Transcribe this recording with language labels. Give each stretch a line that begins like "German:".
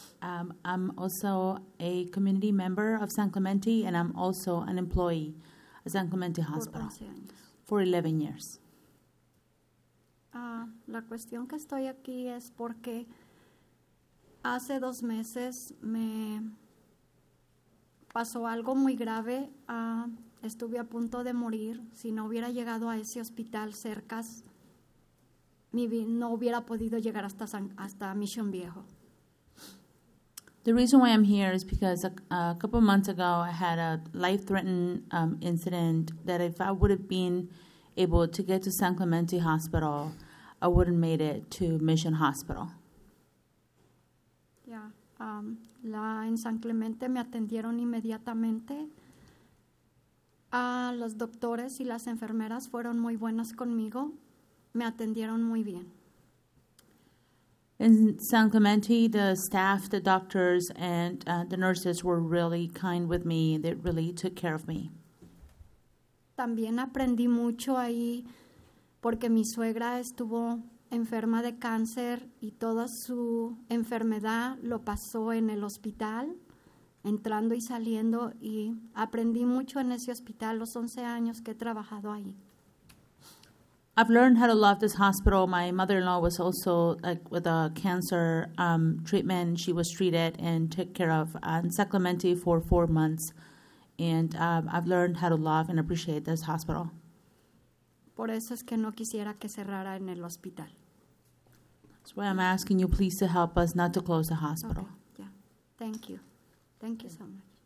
English: I'm also a community member of San Clemente, and I'm also an employee at San Clemente Hospital for 11 years.
Spanish: La cuestión que estoy aquí es porque hace dos meses me pasó algo muy grave. Estuve a punto de morir. Si no hubiera llegado a ese hospital cerca, no hubiera podido llegar hasta Mission Viejo.
English: The reason why I'm here is because a couple of months ago I had a life-threatening incident that if I would have been able to get to San Clemente Hospital, I wouldn't made it to Mission Hospital.
Spanish: Yeah, en San Clemente me atendieron inmediatamente. Los doctores y las enfermeras fueron muy buenas conmigo. Me atendieron muy bien.
English: In San Clemente, the staff, the doctors, and the nurses were really kind with me. They really took care of me.
Spanish: También aprendí mucho ahí, porque mi suegra estuvo enferma de cáncer y toda su enfermedad lo pasó en el hospital, entrando y saliendo, y aprendí mucho en ese hospital los 11 años que he trabajado ahí.
English: I've learned how to love this hospital. My mother-in-law was also like with a cancer treatment. She was treated and took care of in San Clemente for 4 months, and I've learned how to love and appreciate this hospital.
Spanish: Por eso es que no quisiera que cerrara en el hospital.
English: That's why I'm asking you please to help us not to close the hospital. Okay. Yeah. Thank you. Thank you so much.